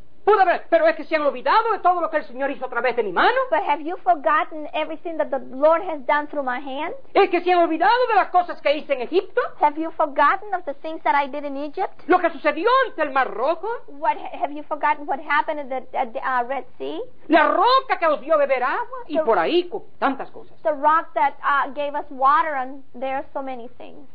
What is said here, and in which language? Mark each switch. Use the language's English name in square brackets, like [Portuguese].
[Spanish] Pude ver, pero es que se han olvidado de todo lo que el Señor hizo a través de mi mano. [English] But have you forgotten everything that the Lord has done through my hand? [Spanish] Es que se han olvidado de las cosas que hice en Egipto. [English] Have you forgotten of the things that I did in Egypt? [Spanish] Lo que sucedió ante el Mar Rojo. [English] What have you forgotten? What happened at the Red Sea? [Spanish] La roca que os dio beber agua y por ahí tantas cosas. [English] The rock that gave us water and there are so many things.